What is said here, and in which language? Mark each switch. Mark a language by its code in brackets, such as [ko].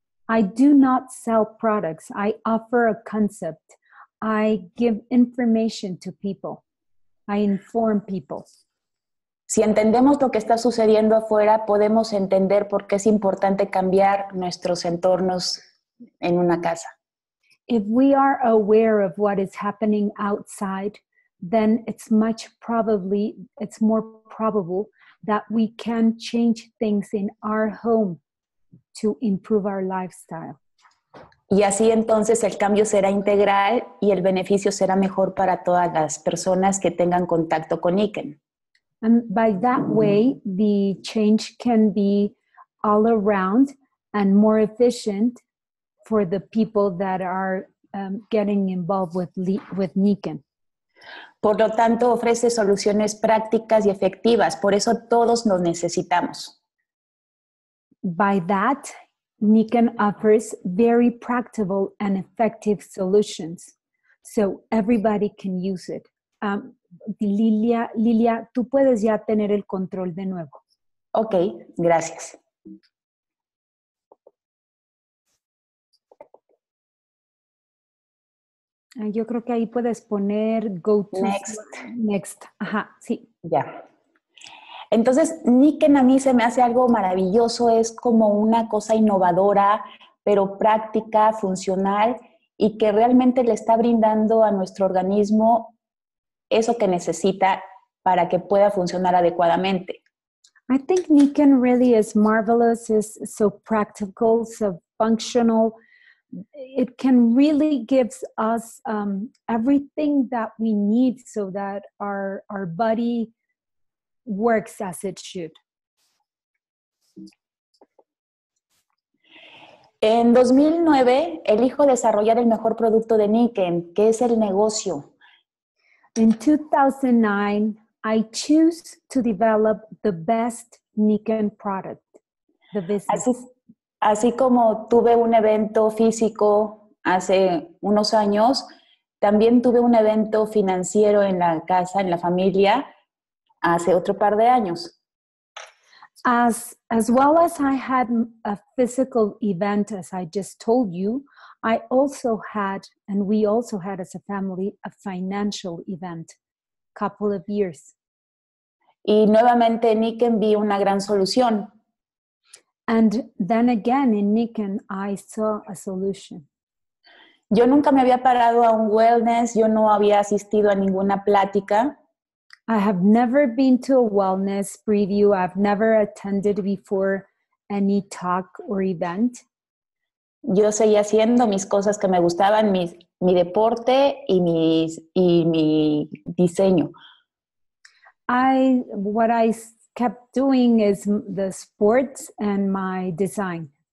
[en] I do not sell products. I offer a concept. I give information to people. I inform people. [es] Si entendemos lo que está sucediendo afuera, podemos entender por qué es importante cambiar nuestros entornos en una casa. [en] If we are aware of what is happening outside, then it's more probable that we can change things in our home to improve our lifestyle. [es] Y así entonces el cambio será integral y el beneficio será mejor para todas las personas que tengan contacto con Niken. [en] And by that way, the change can be all around and more efficient for the people that are getting involved with Niken. [es] Por lo tanto, ofrece soluciones prácticas y efectivas. Por eso todos nos necesitamos. [en] By that, Niken offers very practical and effective solutions, so everybody can use it. [es] Lilia, tú puedes ya tener el control de nuevo. Okay, gracias. Yo creo que ahí puedes poner [en] go to next. [es] Ajá, sí. Ya. Yeah. Entonces, Niken a mí se me hace algo maravilloso, es como una cosa innovadora, pero práctica, funcional, y que realmente le está brindando a nuestro organismo eso que necesita para que pueda funcionar adecuadamente. [en] I think Niken really is marvelous, is so practical, so functional. It can really give us everything that we need so that our body works as it should. [es] En 2009, elijo desarrollar el mejor producto de Niken, que es el negocio. [en] In 2009, I choose to develop the best Niken product, the business. [es] Así como tuve un evento físico hace unos años, también tuve un evento financiero en la casa, en la familia, hace otro par de años. [en] As well as I had a physical event, as I just told you, I also had, and we also had as a family, a financial event, couple of years. [es] Y nuevamente en Niken vi una gran solución. [en] And then again in Niken, I saw a solution. [es] Yo nunca me había parado a un wellness, yo no había asistido a ninguna plática. [en] I have never been to a wellness preview. I've never attended before any talk or event. [es] Yo seguía haciendo mis cosas que me gustaban, mi deporte y mi diseño. [en] What I kept doing is the sports and my design.